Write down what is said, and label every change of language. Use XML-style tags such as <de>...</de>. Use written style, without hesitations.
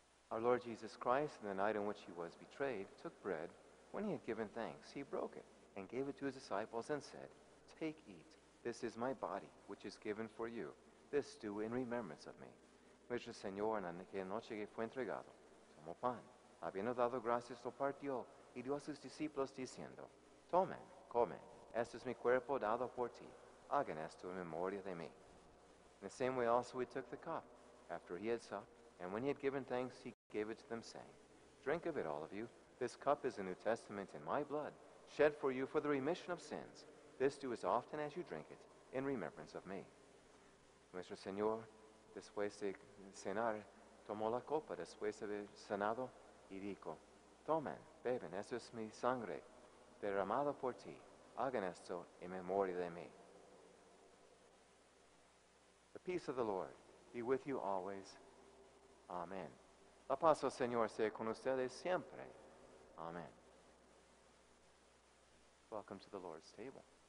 <en>Our Lord Jesus Christ, in the night in which he was betrayed, took bread. When he had given thanks, he broke it and gave it to his disciples and said, "Take, eat. This is my body, which is given for you. This do in remembrance of me."</en> <es>Nuestro Señor, en aquella noche que fue entregado, tomó pan. Habiendo dado gracias, lo partió y dio a sus discípulos diciendo, "Tomen, comen. Esto es mi cuerpo dado por ti. Hagan esto en memoria de mí.</es> <en>In the same way also he took the cup, after he had supped, and when he had given thanks, he gave it to them, saying, Drink of it, all of you. This cup is the New Testament in my blood, shed for you for the remission of sins. This do as often as you drink it, in remembrance of me.</en> <es>Nuestro Señor, después de cenar, tomó la copa después de haber cenado, y dijo, Tomen, beben, esto es mi sangre, derramado por ti. Hagan esto en memoria de mí.</es> <en>The peace of the Lord be with you always.</en> <es>Amen. La paz del Señor sea con ustedes siempre. Amen.</es> <en>Welcome to the Lord's table.</en>